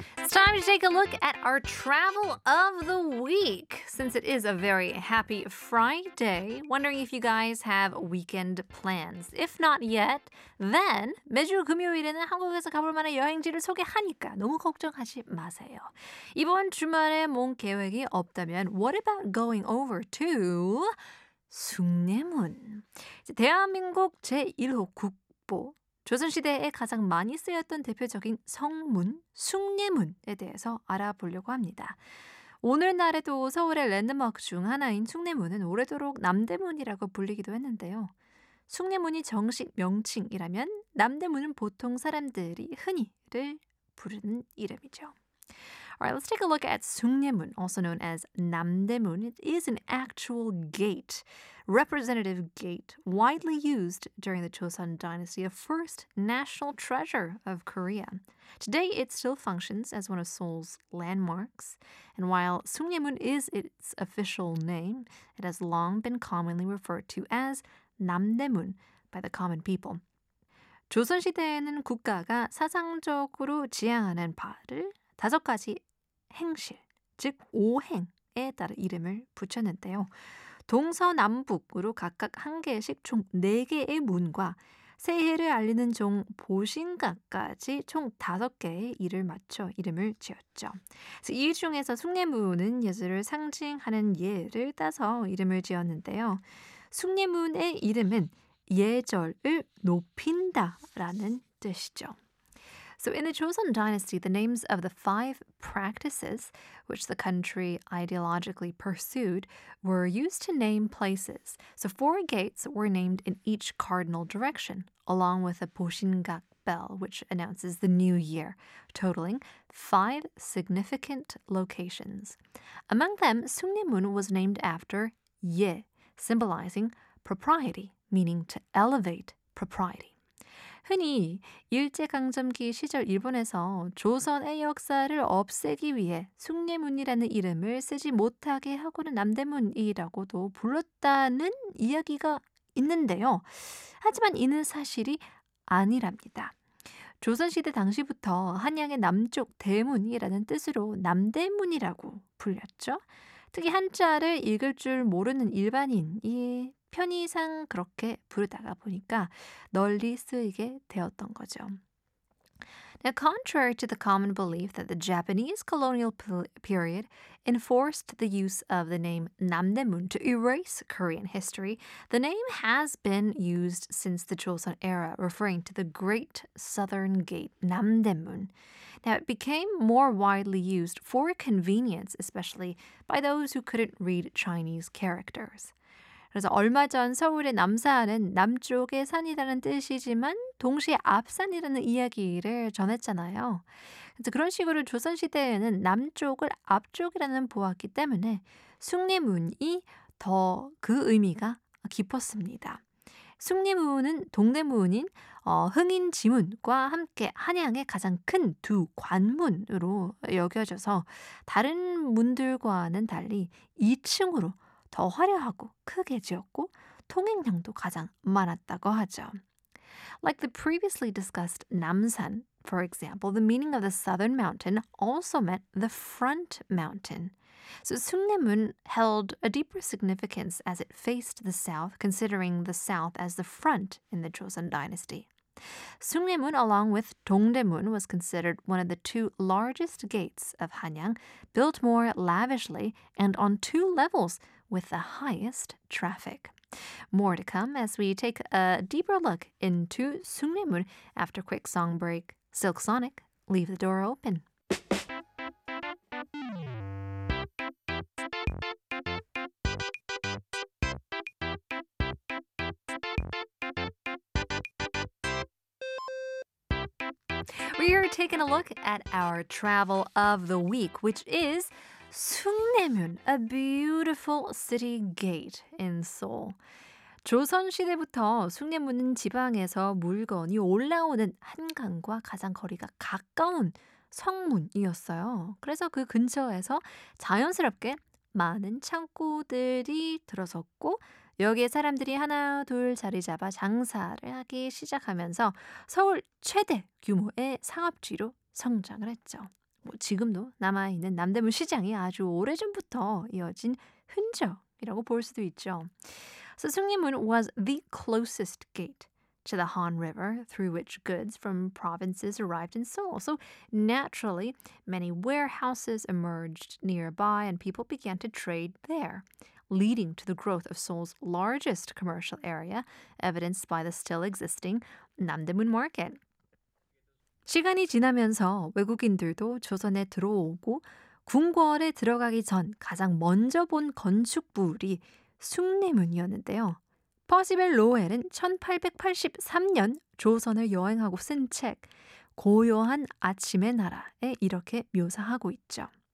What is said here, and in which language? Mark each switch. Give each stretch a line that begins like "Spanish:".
English: time to take a look at our travel of the week. Since it is a very happy Friday, wondering if you guys have weekend plans. If not yet, then
Korean: 매주 금요일에는 한국에서 가볼 만한 여행지를 소개하니까 너무 걱정하지 마세요. 이번 주말에 뭔 계획이 없다면
English: what about going over to
Korean: 숭례문? 대한민국 제1호 국보. 조선시대에 가장 많이 쓰였던 대표적인 성문, 숭례문에 대해서 알아보려고 합니다. 오늘날에도 서울의 랜드마크 중 하나인 숭례문은 오래도록 남대문이라고 불리기도 했는데요. 숭례문이 정식 명칭이라면 남대문은 보통 사람들이 흔히를 부르는 이름이죠.
English: Alright, let's take a look at 숭례문, also known as 남대문. It is an actual gate, representative gate, widely used during the Joseon Dynasty, a first national treasure of Korea. Today, it still functions as one of Seoul's landmarks. And while 숭례문 is its official name, it has long been commonly referred to as 남대문 by the common people.
Korean: 조선시대에는 국가가 사상적으로 지향하는 바를 다섯 가지 행실, 즉 오행에 따라 이름을 붙였는데요. 동서남북으로 각각 한 개씩 총 네 개의 문과 새해를 알리는 종 보신각까지 총 다섯 개의 일을 맞춰 이름을 지었죠. 이 중에서 숭례문은 예술을 상징하는 예를 따서 이름을 지었는데요. 숭례문의 이름은 예절을 높인다라는 뜻이죠.
English: So in the Joseon Dynasty, the names of the five practices which the country ideologically pursued were used to name places. So four gates were named in each cardinal direction, along with a Boshingak bell, which announces the new year, totaling five significant locations. Among them, Sungnae-mun was named after Ye, symbolizing propriety, meaning to elevate propriety.
Korean: 흔히 일제강점기 시절 일본에서 조선의 역사를 없애기 위해 숭례문이라는 이름을 쓰지 못하게 하고는 남대문이라고도 불렀다는 이야기가 있는데요. 하지만 이는 사실이 아니랍니다. 조선시대 당시부터 한양의 남쪽 대문이라는 뜻으로 남대문이라고 불렸죠. 특히 한자를 읽을 줄 모르는 일반인이 편의상 그렇게 부르다가 보니까 널리 쓰이게 되었던 거죠.
English: Now, contrary to the common belief that the Japanese colonial period enforced the use of the name 남대문 to erase Korean history, the name has been used since the Joseon era, referring to the Great Southern Gate, 남대문. Now, it became more widely used for convenience, especially by those who couldn't read Chinese characters.
Korean: 그래서 얼마 전 서울의 남산은 남쪽의 산이라는 뜻이지만 동시에 앞산이라는 이야기를 전했잖아요. 그래서 그런 식으로 조선시대에는 남쪽을 앞쪽이라는 보았기 때문에 숭례문이 더 그 의미가 깊었습니다. 숭례문은 동대문인 흥인지문과 함께 한양의 가장 큰 두 관문으로 여겨져서 다른 문들과는 달리 2층으로 더 화려하고 크게 지었고 통행량도 가장 많았다고 하죠.
English: Like the previously discussed 남산, for example, the meaning of the southern mountain also meant the front mountain. So 숭례문 held a deeper significance as it faced the south, considering the south as the front in the Joseon Dynasty. 숭례문 along with 동대문 was considered one of the two largest gates of Hanyang, built more lavishly and on two levels, with the highest traffic. More to come as we take a deeper look into 숭례문 after quick song break. Silk Sonic, leave the door open. We are taking a look at our travel of the week, which is 숭례문, a beautiful city gate in Seoul.
Korean: 조선시대부터 숭례문은 지방에서 물건이 올라오는 한강과 가장 거리가 가까운 성문이었어요. 그래서 그 근처에서 자연스럽게 많은 창고들이 들어섰고 여기에 사람들이 하나 둘 자리 잡아 장사를 하기 시작하면서 서울 최대 규모의 상업지로 성장을 했죠. 뭐 지금도 남아있는 남대문 시장이 아주 오래전부터 이어진 흔적이라고 볼 수도 있죠.
English: So 숭례문 was the closest gate to the Han River through which goods from provinces arrived in Seoul. So naturally, many warehouses emerged nearby and people began to trade there, leading to the growth of Seoul's largest commercial area, evidenced by the still existing 남대문 market.
Korean: 시간이 지나면서 외국인들도 조선에 들어오고 궁궐에 들어가기 전 가장 먼저 본 건축물이 숭례문이었는데요. 퍼시벨 로엘은 1883년 조선을 여행하고 쓴 책 고요한 아침의 나라에 이렇게 묘사하고 있죠.